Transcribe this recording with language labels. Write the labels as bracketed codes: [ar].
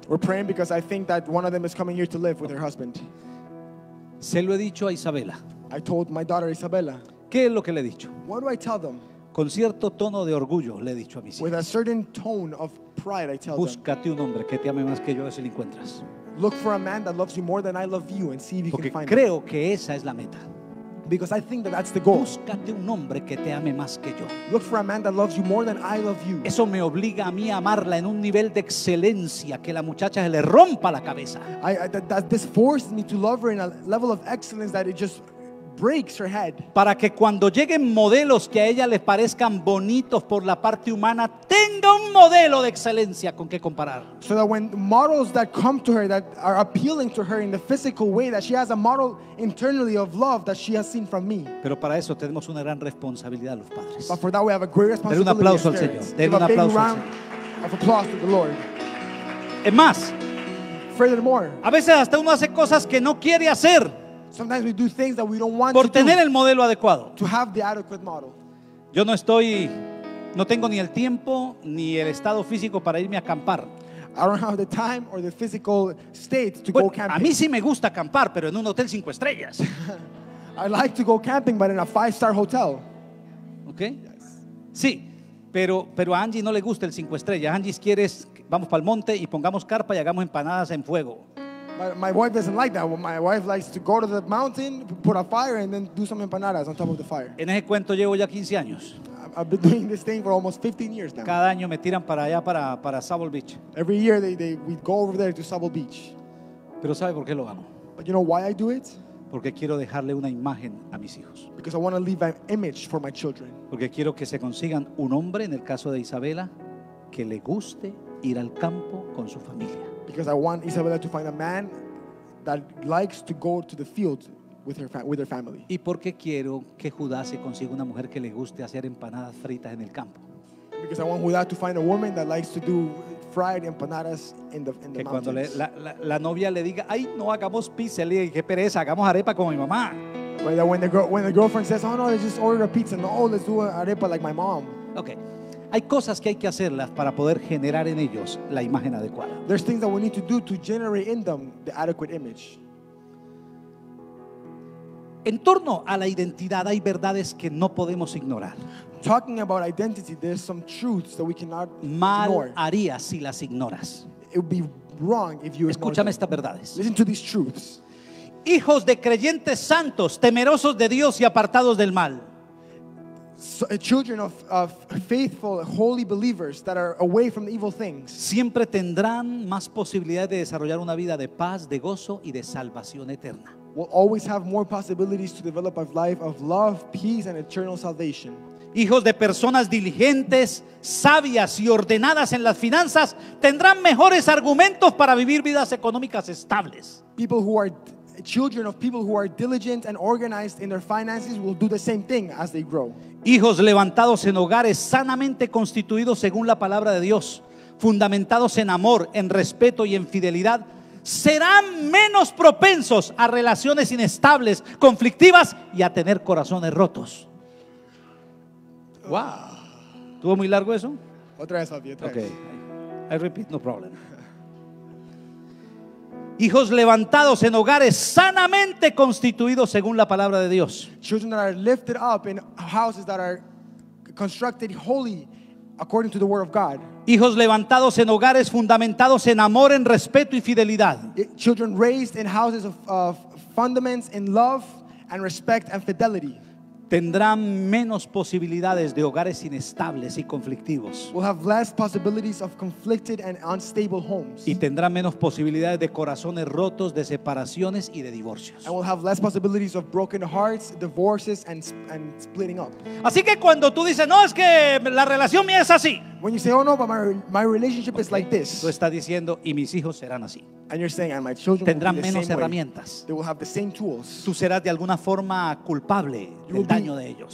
[en] We're praying because I think that one of them is coming here to live with her husband. [es] Se lo he dicho a Isabela. [en] I told my daughter Isabella. [es] ¿Qué es lo que le he dicho? [en] What do I tell them? [es] Con cierto tono de orgullo le he dicho a mis hijos. [en] With a certain tone of pride, I tell [es] búscate [en] them. [es] Búscate un hombre que te ame más que yo, si lo encuentras. [en] Look for a man that loves you more than I love you and see if you [es] porque [en] can find. [es] Porque creo que esa es la meta. [en] Because I think that that's the goal. [es] Búscate un hombre que te ame más que yo. [en] Look for a man that loves you more than I love you. [es] Eso me obliga a mí a amarla en un nivel de excelencia que la muchacha se le rompa la cabeza. [en] This forces me to love her in a level of excellence that it just breaks her head. [es] Para que cuando lleguen modelos que a ella les parezcan bonitos por la parte humana, tenga un modelo de excelencia con que comparar. [en] So that when models that come to her that are appealing to her in the physical way, that she has a model internally of love that she has seen from me. [es] Pero para eso tenemos una gran responsabilidad los padres. [en] But for that we have a great responsibility. [es] Den un aplauso al Señor. Den un aplauso. [en] Give a big round of applause to the Lord. [es] Es más. [en] Furthermore. [es] A veces hasta uno hace cosas que no quiere hacer. [en] Sometimes we do things that we don't want [es] por tener el modelo adecuado. [en] To have the adequate model. [es] Yo no estoy, no tengo ni el tiempo ni el estado físico para irme a acampar. [en] I don't have the time or the physical state to go camping. [es] A mí sí me gusta acampar, pero en un hotel 5 estrellas. [en] I like to go camping, but in a 5-star hotel. Okay. Yes. [es] Sí, pero a Angie no le gusta el 5 estrellas. Angie quiere, vamos para el monte y pongamos carpa y hagamos empanadas en fuego. [en] But my wife doesn't like that. My wife likes to go to the mountain, put a fire, and then do some empanadas on top of the fire. [es] En ese cuento llevo ya 15 años. [en] I've been doing this thing for almost 15 years now. [es] Cada año me tiran para allá, para Sable Beach. [en] Every year they we go over there to Sable Beach. [es] Pero ¿sabe por qué lo hago? [en] But you know why I do it? [es] Porque quiero dejarle una imagen a mis hijos. [en] Because I want to leave an image for my children. [es] Porque quiero que se consigan un hombre, en el caso de Isabela, que le guste ir al campo con su familia. [en] Because I want Isabella to find a man that likes to go to the field with her family. [es] Y porque quiero que Judá se consiga una mujer que le guste hacer empanadas fritas en el campo. [en] Because I want Judá to find a woman that likes to do fried empanadas in the mountains. [es] Que cuando la novia le diga, ay, no hagamos pizza, le diga, qué pereza, hagamos arepa como mi mamá. [en] But that when the girlfriend says, oh no, let's just order a pizza, no, let's do an arepa like my mom. Okay. [es] Hay cosas que hay que hacerlas para poder generar en ellos la imagen adecuada. [en] There's things that we need to do to generate in them the adequate image. [es] En torno a la identidad hay verdades que no podemos ignorar. [en] Talking about identity, there's some truths that we cannot [es] mal [en] ignore. [es] Mal harías si las ignoras. [en] It would be wrong if you ignore. [es] Escúchame estas verdades. [en] Listen to these truths. [es] Hijos de creyentes santos, temerosos de Dios y apartados del mal. [en] So, children of faithful, holy believers that are away from the evil things. [es] Siempre tendrán más posibilidades de desarrollar una vida de paz, de gozo y de salvación eterna. [en] Will always have more possibilities to develop a life of love, peace, and eternal salvation. [es] Hijos de personas diligentes, sabias y ordenadas en las finanzas tendrán mejores argumentos para vivir vidas económicas estables. [en] People who are children of people who are diligent and organized in their finances will do the same thing as they grow. [es] Hijos levantados en hogares sanamente constituidos según la palabra de Dios, fundamentados en amor, en respeto y en fidelidad, serán menos propensos a relaciones inestables, conflictivas y a tener corazones rotos. [en] Wow. [es] ¿Tuvo muy largo eso? Otra vez, Javier. [en] Okay. I repeat, no problem. [es] Hijos levantados en hogares sanamente constituidos según la palabra de Dios. [en] Children that are lifted up in houses that are constructed holy according to the word of God. [es] Hijos levantados en hogares fundamentados en amor, en respeto y fidelidad. [en] Children raised in houses of fundaments in love and respect and fidelity. [es] Tendrán menos posibilidades de hogares inestables y conflictivos. [en] We'll have less possibilities of conflicted and unstable homes. [es] Y tendrán menos posibilidades de corazones rotos, de separaciones y de divorcios. [en] And we'll have less possibilities of broken hearts, divorces, and splitting up. [es] Así que cuando tú dices, no, es que la relación mía es así. [en] When you say, oh no, but my relationship is like this. [es] Tú estás diciendo, y mis hijos serán así. [en] And you're saying, and my children [es] tendrán [en] will be [es] menos [en] the same [es] herramientas. [en] Way. They will have the same tools. [es] Tú serás de alguna forma culpable del daño de ellos.